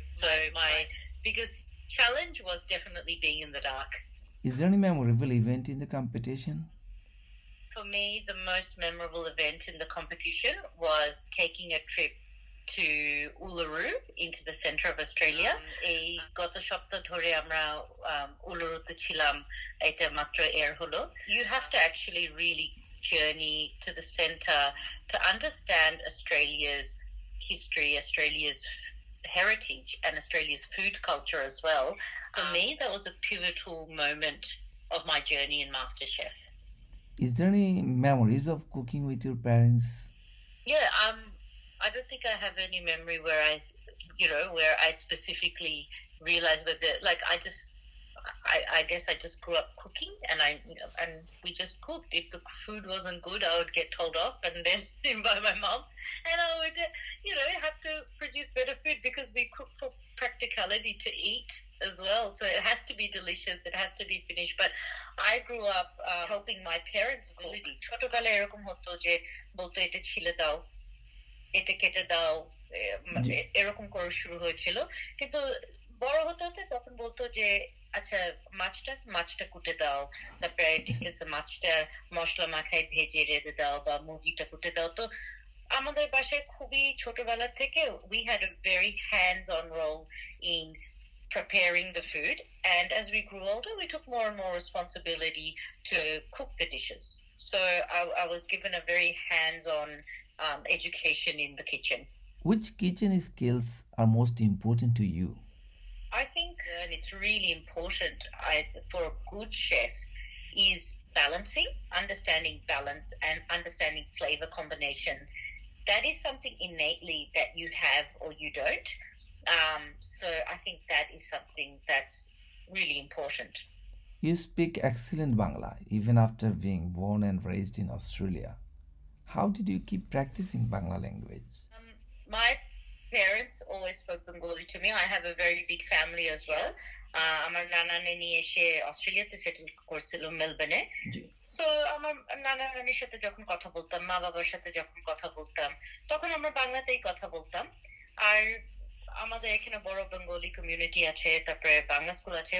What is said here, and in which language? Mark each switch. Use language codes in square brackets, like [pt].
[en] So, my biggest challenge was definitely being in the dark. Is there any memorable event in the competition? For me, the most memorable event in the competition was taking a trip to Uluru into the center of Australia. [bn] এই গত সপ্তাহ ধরে আমরা উলুরুতে ছিলাম, এটা মাত্র air হলো। [en] You have to actually really journey to the center to understand Australia's history, Australia's heritage, and Australia's food culture as well. For me, that was a pivotal moment of my journey in MasterChef. Is there any memories of cooking with your parents? I don't think I have any memory where I specifically realized that, like, I guess I just grew up cooking, and we just cooked. If the food wasn't good, I would get told off, and then by my mom, and I would, have to produce better food because we cook for practicality to eat as well. So it has to be delicious. It has to be finished. But I grew up helping my parents cook. [bn] ছোটবেলায় এরকম হতো যে বলতো এটা ছিলে দাও, এটা কেটে দাও, এরকম করা শুরু হয়েছিল। কিন্তু বড় হতে হতে তখন বলতো যে আচ্ছা মাছটা মাছটা কুটে দাও, তারপরে ঠিক আছে মাছটা মশলা মাখাই ভেজে রেখে দাও বা মুরগিটা কুটে দাও। তো আমাদের বাসায় খুবই ছোটবেলা থেকে [en] We had a very hand on role in preparing the food, and as we grow older we took more and more responsibility to cook the dishes. So I was given a very hands on education in the kitchen. Which kitchen skills are most important to you? I think, and it's really important for a good chef, is balancing, understanding balance and understanding flavor combinations. That is something innately that you have or you don't. So I think that is something that's really important. You speak excellent Bangla, even after being born and raised in Australia. How did you keep practicing Bangla language? My parents always spoke Bengali to me. I have a very big family as well. [bn] আমার নানা নানি এসে অস্ট্রেলিয়াতে settle করছিল মেলবোর্নে। So আমার নানা নানির সাথে যখন কথা বলতাম, মা বাবার সাথে যখন কথা বলতাম, তখন আমরা বাংলাতেই কথা বলতাম। আর আমাদের এখানে বড় বেঙ্গলি কমিউনিটি আছে, তারপরে বাংলা স্কুল আছে।